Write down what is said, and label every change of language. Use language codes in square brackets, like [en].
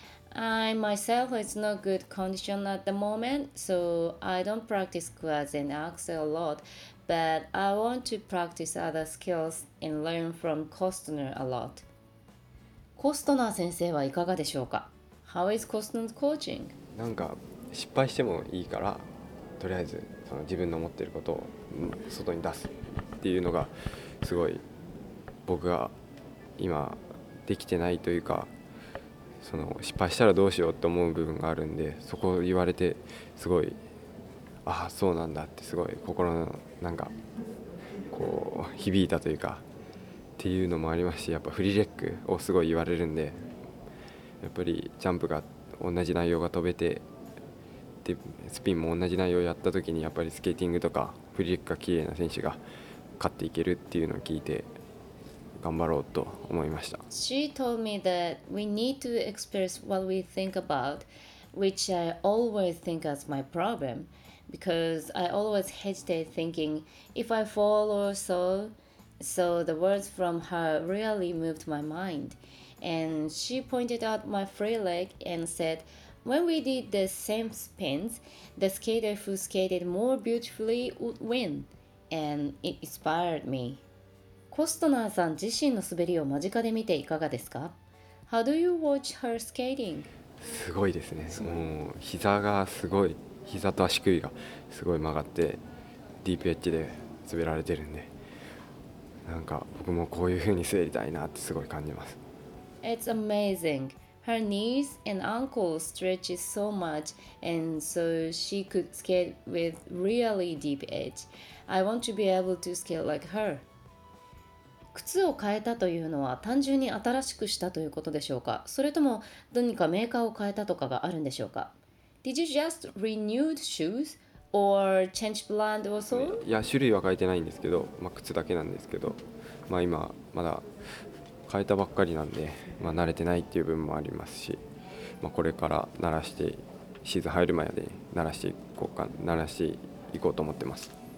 [en] I myself is not good condition at the moment, so I don't practice quads and axel a lot, but I want to practice other skills and learn from Costner a lot. [ja] Costner 先生はいかがでしょうか? [en] How is Costner's coaching? [ja] なんか失敗してもいいから、とりあえずその自分の思っていることを外に出すっていうのが、すごい僕が今できてないというかその失敗したらどうしようと思う部分があるんでそこを言われてすごいああそうなんだってすごい心のなんかこう響いたというかっていうのもありますしやっぱフリーレッグをすごい言われるんでやっぱりジャンプが同じ内容が飛べてでスピンも同じ内容をやった時にやっぱりスケーティングとかフリーレッグが綺麗な選手が勝っていけるっていうのを聞いて頑張ろうと思いました。 [en] She told me that we need to express what we think about, which I always think as my problem, because I always hesitate thinking if I fall or so. So the words from her really moved my mind, and she pointed out my free leg and said, when we did the same spins, the skater who skated more beautifully would win. And it inspired me. [ja] コストナーさん自身の滑りを間近で見ていかがですか? [en] How do you watch her skating? [ja] すごいですね。もう膝がすごい、膝と足首がすごい曲がってディープエッジで滑られてるんで、なんか僕もこういう風に滑りたいなってすごい感じます。 [en] It's amazing. Her knees and ankles stretch so much, and so she could skate with really deep edge. I want to be able to skate like her. [ja] 靴を変えたというのは単純に新しくしたということでしょうか? それとも何かメーカーを変えたとかがあるんでしょうか? [en] Did you just renew shoes or change brand or so? [ja] いや、種類は変えてないんですけど、まあ、靴だけなんですけど、まあ、今まだ変えたばっかりなんで、まあ、慣れてないっていう部分もありますし、まあ、これから慣らして、シーズン入る前で慣らしていこうか、慣らしていこうと思ってます。